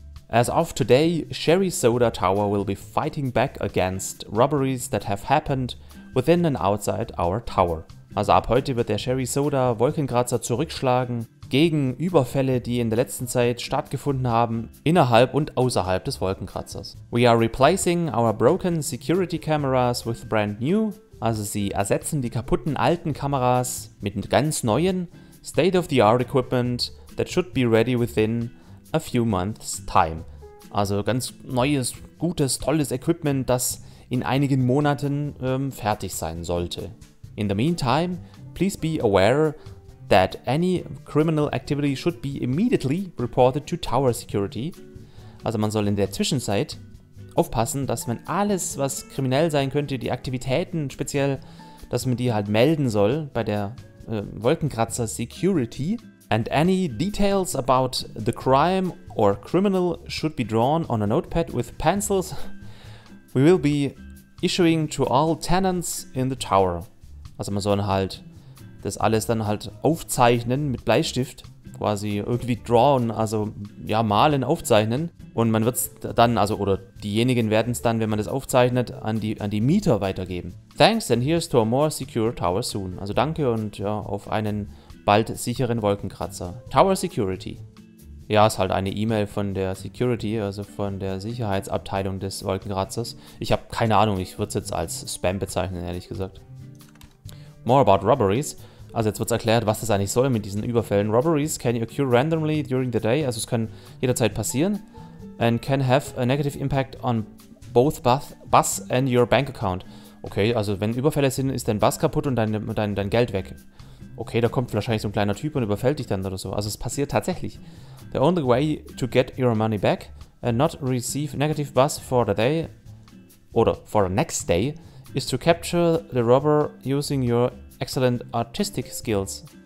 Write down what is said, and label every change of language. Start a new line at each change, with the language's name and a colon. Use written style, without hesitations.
English: As of today, Sherry Soda Tower will be fighting back against robberies that have happened within and outside our tower.
German: Also ab heute wird der Sherry Soda Wolkenkratzer zurückschlagen gegen Überfälle, die in der letzten Zeit stattgefunden haben, innerhalb und außerhalb des Wolkenkratzers.
English: We are replacing our broken security cameras with brand new.
German: Also sie ersetzen die kaputten alten Kameras mit ganz neuen
English: State-of-the-art equipment that should be ready within a few months time.
German: Also ganz neues, gutes, tolles Equipment, das in einigen Monaten fertig sein sollte.
English: In the meantime, please be aware that any criminal activity should be immediately reported to Tower Security.
German: Also man soll in der Zwischenzeit aufpassen, dass man alles, was kriminell sein könnte, die Aktivitäten speziell, dass man die halt melden soll bei der Wolkenkratzer Security.
English: And any details about the crime or criminal should be drawn on a notepad with pencils. We will be issuing to all tenants in the tower.
German: Also man soll halt das alles dann halt aufzeichnen mit Bleistift, quasi irgendwie drawn, also ja, malen, aufzeichnen. Und man wird es dann, also, oder diejenigen werden es dann, wenn man das aufzeichnet, an die Mieter weitergeben.
English: Thanks and here's to a more secure tower soon.
German: Also danke und ja, auf einen bald sicheren Wolkenkratzer. Tower Security. Ja, ist halt eine E-Mail von der Security, also von der Sicherheitsabteilung des Wolkenkratzers. Ich habe keine Ahnung, ich würde es jetzt als Spam bezeichnen, ehrlich gesagt.
English: More about robberies.
German: Also jetzt wird es erklärt, was das eigentlich soll mit diesen Überfällen.
English: Robberies can occur randomly during the day.
German: Also es kann jederzeit passieren.
English: And can have a negative impact on both bus and your bank account.
German: Okay, also wenn Überfälle sind, ist dein Bus kaputt und dein Geld weg. Okay, da kommt wahrscheinlich so ein kleiner Typ und überfällt dich dann oder so. Also es passiert tatsächlich.
English: The only way to get your money back and not receive negative bus for the day oder for the next day is to capture the robber using your excellent artistic skills.